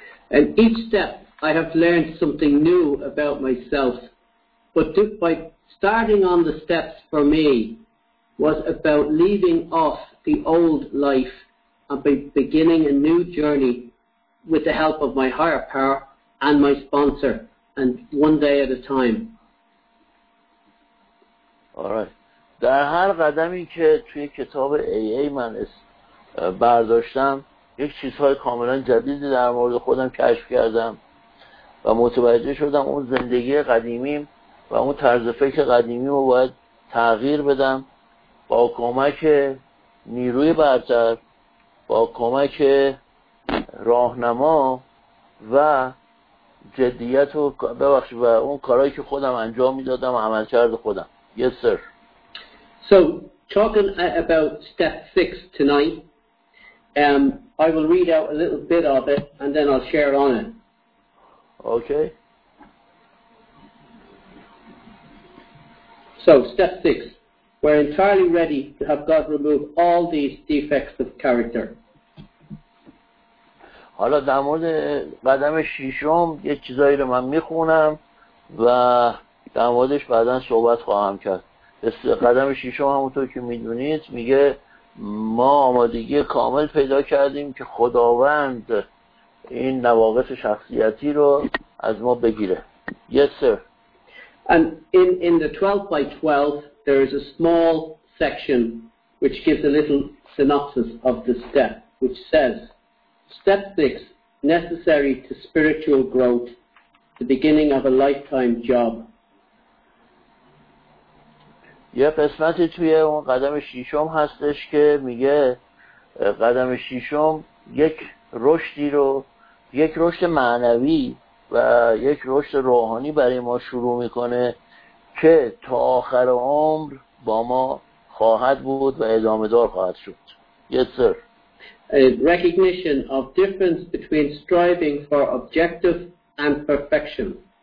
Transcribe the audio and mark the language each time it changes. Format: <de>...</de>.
<en>And each step I have learned something new about myself, but by starting on the steps for me was about leaving off the old life and beginning a new journey with the help of my higher power and my sponsor, and one day at a time. All right.</en> <fa>در هر قدمی که توی کتاب AA من برداشتم، یک چیزهای کاملا جدیدی در مورد خودم کشف کردم و متوجه شدم اون زندگی قدیمیم و اون طرز فکر قدیمیم رو باید تغییر بدم با کمک نیروی برتر، با کمک راهنما و جدیت و ببخشید و اون کارهایی که خودم انجام میدادم و عمل کرده خودم.</fa> <en>Yes sir. So talking about step 6 tonight, I will read out a little bit of it and then I'll share on it. Okay. So step 6, we're entirely ready to have God remove all these defects of character.</en> <fa>حالا در مورد قدم ششم یه چیزایی رو من میخونم و در موردش بعدا صحبت خواهم کرد. قدم ششم همونطور که میدونید میگه ما آمادگی کامل پیدا کردیم که خداوند این نواقص شخصیتی رو از ما بگیره.</fa> <en>Yes sir. And in the 12 by 12 there is a small section which gives a little synopsis of the step, which says Step 6, necessary to spiritual growth, the beginning of a lifetime job.</en> <fa>یه قسمتی توی اون قدم شیشم هستش که میگه قدم شیشم یک رشدی رو، یک رشد معنوی و یک رشد روحانی برای ما شروع میکنه که تا آخر عمر با ما خواهد بود و ادامه دار خواهد شد.</fa> <en>Yes, sir. A recognition of difference between striving for objective and perfection.</en>